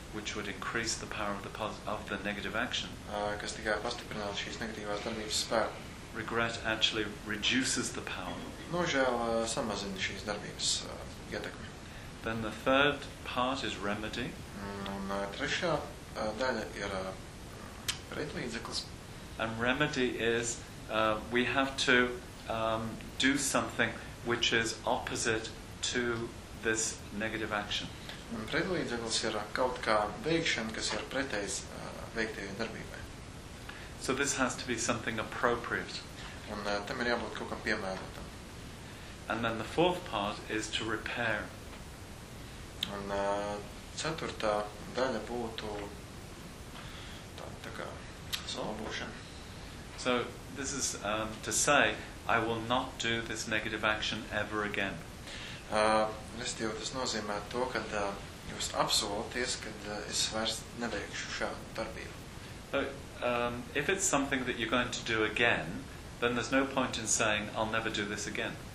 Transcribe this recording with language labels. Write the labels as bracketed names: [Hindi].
[English] Which would increase the power of the negative action. [Latvian] Kas tikai pastiprinātu šīs negatīvās darbības spēku. [English] Regret actually reduces the power. [Latvian] Nožēl samazina šīs darbības ietekmi. [English] Then the third part is remedy. [Latvian] Un trešā daļa ir pretlīdzeklis. [English] And remedy is we have to do something which is opposite to this negative action. [Latvian] Un pretlīdzeklis ir kaut kā veikšana, kas ir pretējs veiktajai darbībai. [English] So this has to be something appropriate. [Latvian] Un tam ir jābūt kaut kam piemērotam. [English] And then the fourth part is to repair. [Latvian] Un ceturtā daļa būtu tā kā salabošana. [English] So this is to say, I will not do this negative action ever again. [Latvian] Restīvi, tas nozīmē to, ka jūs apsolaties, ka es vairs neveikšu šādu darbību. [English] But if it's something that you're going to do again, then there's no point in saying, I'll never do this again.